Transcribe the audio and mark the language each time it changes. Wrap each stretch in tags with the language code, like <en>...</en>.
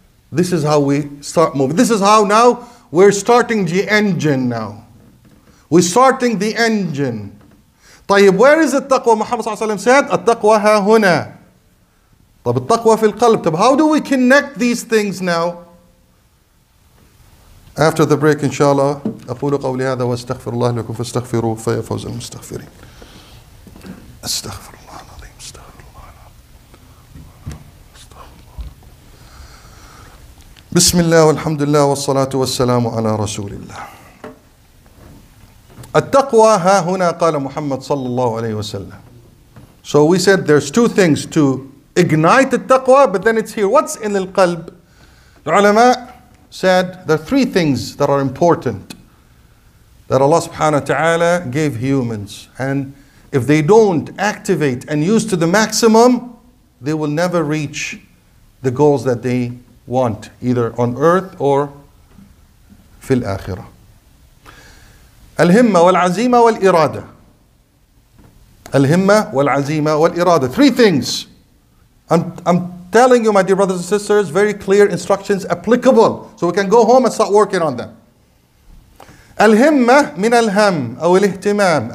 <en>This is how we start moving. This is how now we're starting the engine now. We're starting the engine.</en> <ar>طيب,</ar> <en>where is التقوى?</en> <ar>Muhammad صلى الله عليه وسلم</ar> <en>said,</en> <ar>التقوى ها هنا. طب التقوى في القلب. طب</ar> <en>how do we connect these things now? After the break, inshallah,</en> <ar>أقول قولي هذا واستغفر الله لكم فاستغفروا فيا فوز المستغفرين. استغفر الله العظيم, استغفر الله العظيم. بسم الله والحمد لله والصلاة والسلام على رسول الله. التقوى ها هنا قال محمد صلى الله عليه وسلم.</ar> <en>So we said there's two things to ignite التقوى, but then it's here. What's in the qalb? The ulama said there are three things that are important that Allah subhanahu wa ta'ala gave humans. And if they don't activate and use to the maximum, they will never reach the goals that they want, either on earth or</en> <ar>في الآخرة. الهمة والعزيمة والإرادة. الهمة والعزيمة والإرادة.</ar> <en>Three things. I'm telling you, my dear brothers and sisters, very clear instructions applicable. So we can go home and start working on them.</en> <ar>الهمة من الهم أو الاهتمام.</ar>